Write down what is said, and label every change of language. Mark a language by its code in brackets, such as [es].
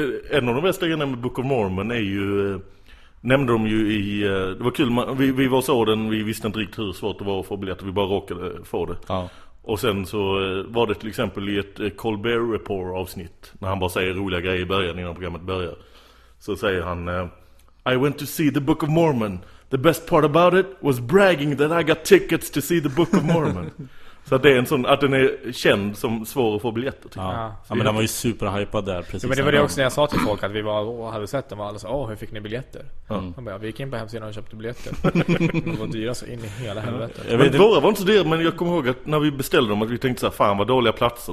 [sv] En av de bästa grejerna med Book of Mormon är ju... Nämnde de ju i... Det var kul. Vi var så den. Vi visste inte riktigt hur svårt det var att få biljetter. Vi bara råkade få det. Ja. Och sen så var det till exempel i ett Colbert Report-avsnitt. När han bara säger roliga grejer i början innan programmet börjar. Så säger han... [en] I went to see the Book of Mormon. The best part about it was bragging that I got tickets to see the Book of Mormon. [sv] Så att det är en sån, att den är känd som svår att få biljetter till. Ja, ja men den var ju superhypad där precis. Ja, men det var det också när jag sa till folk att vi var och hade sett den. Och alla sa, åh, hur fick ni biljetter? Mm. Han bara, vi gick in på hemsidan och köpte biljetter. De var dyra så in i hela helvetet. Men våra var inte så dyra, men jag kommer ihåg att när vi beställde dem att vi tänkte så här, fan vad dåliga platser.